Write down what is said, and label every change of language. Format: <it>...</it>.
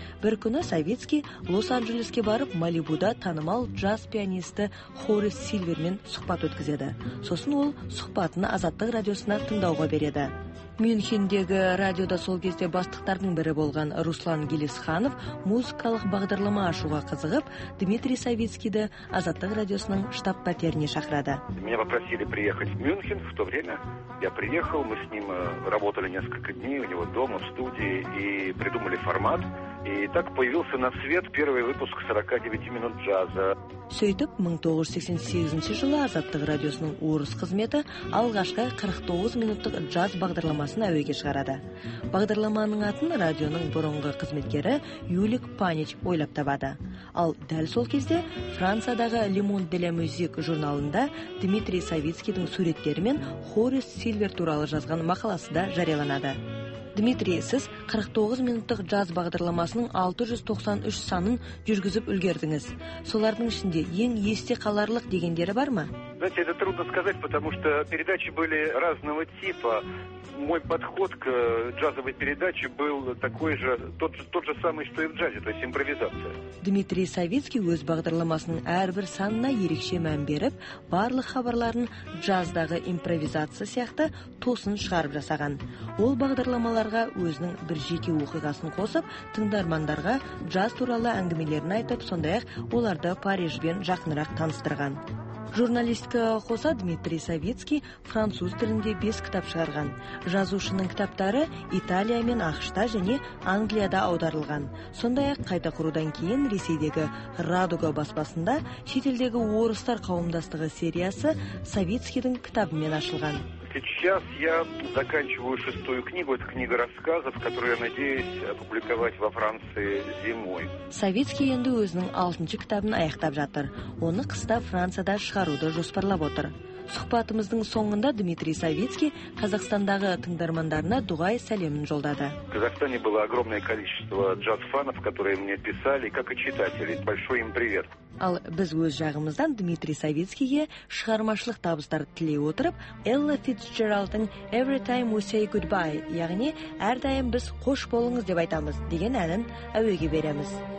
<kk>Бір күні Савицкий Лос-Анджелеске барып, Малибуда танымал джаз пианисті Хорис Сильвермен сұхбат өткізеді. Сосын ол сұхбатын Азаттық радиосына тыңдауға береді. Мюнхендегі радиода сол кезде бастықтардың бірі болған Руслан Гелисханов музыкалық бағдарлама ашуға қызығып, Дмитрий Савицкийді Азаттық радиосының штаб-пәтеріне шақырады.</kk> <ru>Меня попросили приехать в Мюнхен в то время. Я приехал, мы с ним работали несколько дней у него дома в студии и придумали формат. И так появился на свет первый выпуск 49 минут джаза.</ru> <kk>Сөйтіп, 1988 жылы Азаттық радиосының орыс қызметі алғашқы 49 минуттық джаз бағдарламасын әуеге шығарады. Бағдарламаның атын радионың бұрынғы қызметкері Юлик Панич ойлап табады. Ал дәл сол кезде Франциядағы Le Monde de la Musique журналында Дмитрий Савицкийдің суреттерімен Хорис Сильвер туралы жазған мақаласы да жарияланады. Дмитрий, сіз 49 минуттық джаз бағдарламасының 693 санын жүргізіп үлгердіңіз. Солардың ішінде ең есте қаларлық дегендері бар ма?</kk> <ru>Знаете, это трудно сказать, потому что передачи были разного типа. Мой подход к джазовой передаче был такой же, тот же самый, что и в джазе, то есть импровизация.</ru> <kk>Дмитрий Савицкий өз бағдарламасының әрбір санына ерекше мән беріп, барлық хабарларын джаздағы импровизация сияқты тосын шығарып жасаған. Ол бағдарламаларға өзінің бір жеке оқиғасын қосып, тыңдармандарға джаз туралы әңгімелерін айтып, сондай-ақ оларды Парижбен жақынырақ таныстырған. Журналистка қоса Дмитрий Савицкий француз тілінде 5 кітап шығарған. Жазушының кітаптары Италия мен Ақшта және Англияда аударылған. Сондай-ақ қайта құрудан кейін Ресейдегі Радуга баспасында шетелдегі орыстар қауымдастығы сериясы Савицкийдің кітабымен ашылған.</kk> <ru>Сейчас я заканчиваю шестую книгу. Это книга рассказов, которую я надеюсь опубликовать во Франции зимой.</ru> <kk>Советский енді өзінің 6-шы кітабын аяқтап жатыр. Оны қыста Францияда шығаруды жоспарлап отыр. Сұхбатымыздың соңында Дмитрий Савицкий Қазақстандағы тыңдармандарына дұғай сәлемін жолдады.</kk> <ru>В Казахстане было огромное количество джаз-фанов, которые мне писали, как и читатели. Большой им привет.</ru> <kk>Ал біз өз жағымыздан Дмитрий Савицкийге шығармашылық табыстар тілей отырып, Элла Фицджеральдтың Every Time We Say Goodbye, яғни әрдайым біз қош болыңыз деп айтамыз деген әнін әуеге береміз.</kk>